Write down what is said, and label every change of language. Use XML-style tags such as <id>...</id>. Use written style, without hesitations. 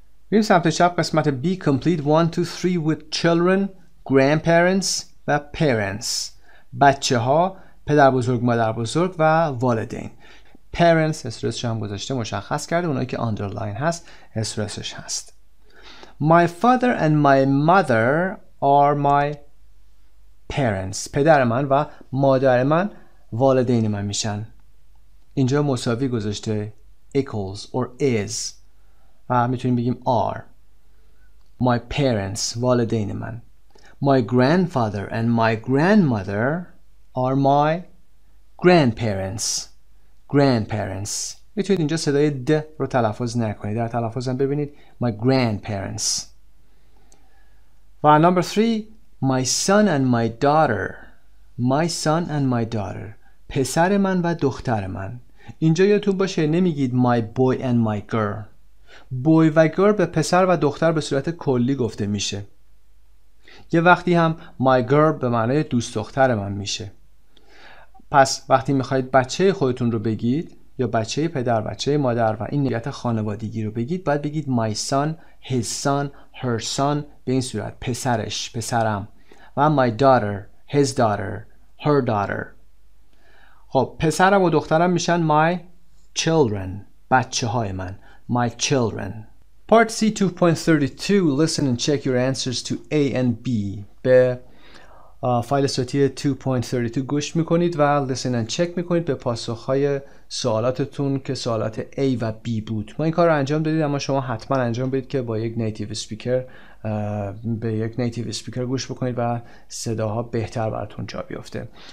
<fa>بیم سمت چپ قسمت B،</fa> <en>complete 1 2 3 with children, grandparents</en> <fa>و parents. بچه ها، پدر بزرگ، مادر بزرگ و والدین. parents استرسش هم گذاشته مشخص کرده، اونایی که underline هست استرسش هست.</fa> <en>my father and my mother are my parents.</en> <fa>پدر من و مادر من والدین من میشن. اینجا مساوی گذاشته</fa> <en>equals or is</en> <fa>و میتونیم بگیم are.</fa> <en>my parents</en> <fa>والدین من.</fa> <en>my grandfather and my grandmother are my grandparents.</en> <fa>grandparents میتونید اینجا صدای د رو تلفظ نکنید، در تلفظ هم ببینید</fa> <en>my grandparents. و number 3 my son and my daughter. my son and my daughter</en> <fa>پسر من و دختر من. اینجا یادتون باشه نمیگید</fa> <en>my boy and my girl.</en> <fa>بوی و گرل به پسر و دختر به صورت کلی گفته میشه. یه وقتی هم</fa> <en>my girl</en> <fa>به معنی دوست دختر من میشه. پس وقتی میخواید بچه خودتون رو بگید یا بچه پدر، بچه مادر و این نیت خانوادگی رو بگید، باید بگید</fa> <en>my son، his son، her son</en> <fa>به این صورت، پسرش، پسرم و</fa> <en>my daughter، his daughter، her daughter.</en> <fa>خب پسرم و دخترم میشن</fa> <en>my children،</en> <fa>بچه های من، my children.</fa> <en>Part C 2.32. Listen and check your answers to A and B.</en> <fa>به فایل صوتی 2.32 گوش میکنید و</fa> <en>listen and check</en> <fa>میکنید به پاسخهای سوالاتتون که سوالات A و B بود. ما این کار رو انجام دادید، اما شما حتما انجام بدید که با یک نیتیو سپیکر به یک نیتیو سپیکر گوش بکنید و صداها بهتر براتون جا بیفته.</fa>